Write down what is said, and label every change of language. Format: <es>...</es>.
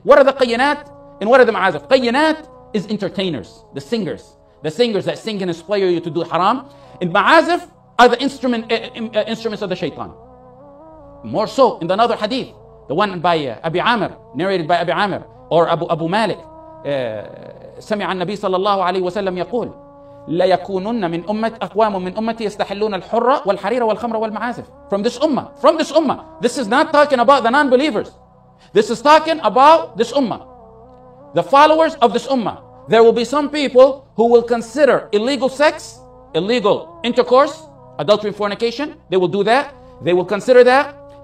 <en>What are the qayyinat and what are the ma'azif? Qayyinat is entertainers, the singers. The singers that sing and inspire you to do haram. And ma'azif are the instruments of the shaitan. More so in another hadith, the one by Abi Amir, narrated by Abi Amir.</en> <ar>Or Abu Malik, سمع النبي صلى الله عليه وسلم يقول لا يكونن من أمة أقوام من أمتي يستحلون الحرة والحريرة والخمر والمعازف.</ar> <en>From this ummah, this is not talking about the non-believers. This is talking about this ummah, the followers of this ummah. There will be some people who will consider illegal sex, illegal intercourse, adultery and fornication, they will do that. They will consider that.</en>